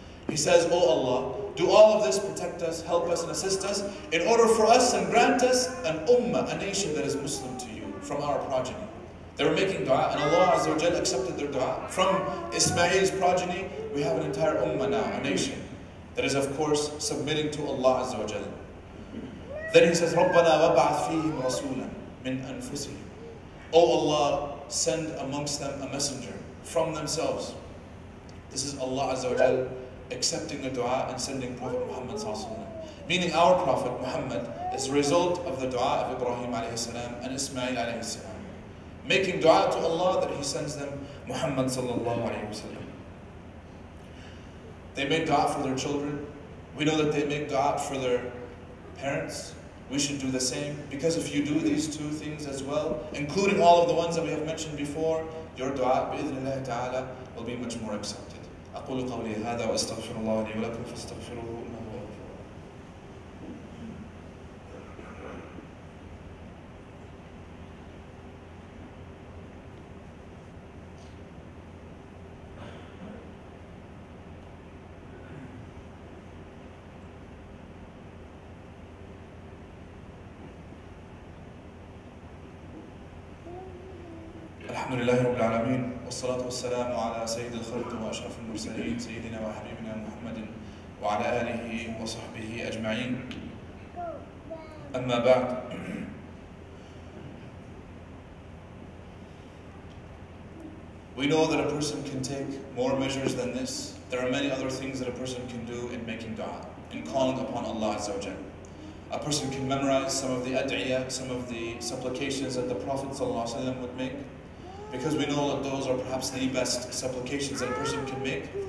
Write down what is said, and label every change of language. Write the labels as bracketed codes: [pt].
[en] He says, oh Allah, do all of this, protect us, help us and assist us in order for us and grant us an ummah, a nation that is Muslim to you from our progeny. They were making dua and Allah Azza wa Jal accepted their dua. From Ismail's progeny, we have an entire ummah now, a nation that is of course submitting to Allah Azza wa Jal. Then he says, [ar] رَبَّنَا وَبَعَثْ فِيهِمْ رَسُولًا مِنْ أَنفُسِهِمْ. [en] O Allah, send amongst them a messenger from themselves. This is Allah Azza wa Jal accepting the dua and sending Prophet Muhammad sallallahu alayhi wa sallam. Meaning our Prophet Muhammad is the result of the dua of Ibrahim alayhi salam and Ismail alayhi salam. Making dua to Allah that he sends them Muhammad sallallahu alayhi wa sallam. They make dua for their children. We know that they make dua for their parents. We should do the same. Because if you do these two things as well, including all of the ones that we have mentioned before, your dua bi-idhnillahi ta'ala will be much more accepted. [ar] أقول قولي هذا وأستغفر الله لي ولكم فاستغفروه إنه هو الغفور. الحمد لله رب العالمين والصلاة والسلام على سيد الخلق وأشرف المرسلين سيدنا وحبيبنا محمد وعلى آله وصحبه أجمعين أما بعد [en] We know that a person can take more measures than this. There are many other things that a person can do in making dua, in calling upon Allah Azza wa Jalla. A person can memorize some of the ad'iya, some of the supplications that the Prophet Sallallahu Alaihi Wasallam would make, because we know that those are perhaps the best supplications that a person can make.